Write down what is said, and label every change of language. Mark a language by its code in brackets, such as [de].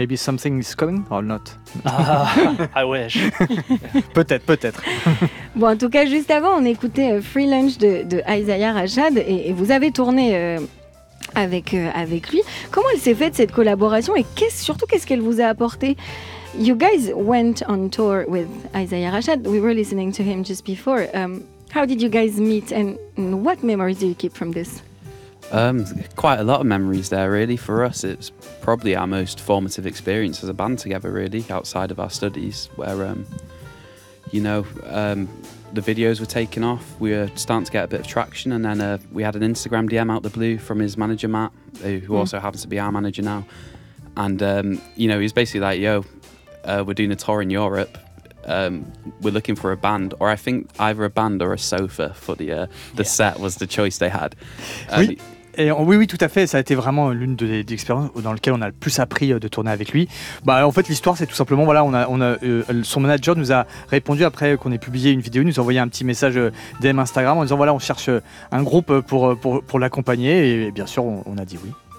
[en] Maybe something is coming or not. I wish. [fr] Peut-être, peut-être. Bon, en tout cas, juste avant, on écoutait Free Lunch de Isaiah Rashad et vous avez tourné avec lui. Comment elle s'est faite cette collaboration et qu'est-ce qu'elle vous a apporté? [en] You guys went on tour with Isaiah Rashad. We were listening to him just before. How did you guys meet and what memories do you keep from this? Quite a lot of memories there, really. For us, it's probably our most formative experience as a band together, really, outside of our studies, where, the videos were taken off. We were starting to get a bit of traction, and then we had an Instagram DM out the blue from his manager, Matt, who also happens to be our manager now. And, he's basically like, yo, we're doing a tour in Europe. We're looking for a band, or I think either a band or a sofa for the set was the choice they had. [fr] Oui, tout à fait. Ça a été vraiment l'une des expériences dans lesquelles on a le plus appris de tourner avec lui. Bah, en fait, l'histoire, c'est tout simplement, voilà, son manager nous a répondu après qu'on ait publié une vidéo, nous a envoyé un petit message DM Instagram en disant, voilà, on cherche un groupe pour l'accompagner, et bien sûr, on a dit oui.